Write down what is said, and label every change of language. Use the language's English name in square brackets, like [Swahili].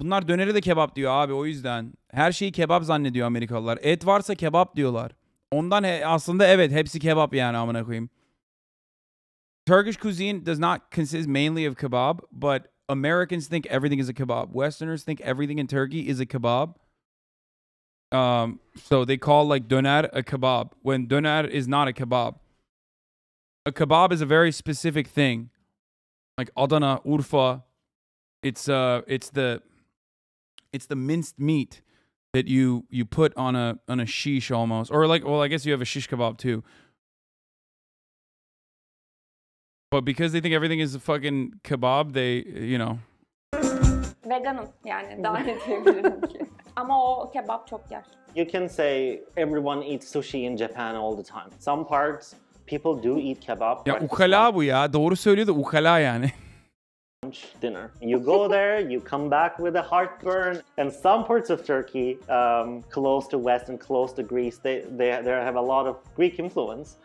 [Turkish] Bunlar döneri de kebap diyor abi, o yüzden. Her şeyi kebap zannediyor Amerikalılar. Et varsa kebap diyorlar. Ondan aslında evet, hepsi kebap yani amına koyayım. [English] Turkish cuisine does not consist mainly of kebab, but Americans think everything is a kebab. Westerners think everything in Turkey is a kebab. So they call like döner a kebab when döner is not a kebab. A kebab is a very specific thing. Like Adana, Urfa, it's the minced meat that you put on a shish almost. Or like, well, I guess you have a shish kebab too. But because they think everything is a fucking kebab, they, you know. [Turkish] Veganım yani daha ne diyebilirim ki. Ama o kebap çok yer. [English] You can say everyone eats sushi in Japan all the time. Some parts people do eat kebab. [Turkish] Ya ukala bu ya. Doğru söylüyor da ukala yani. [English] Lunch, dinner. You go there, you come back with a heartburn. And some parts of Turkey, close to West and close to Greece, they have a lot of Greek influence.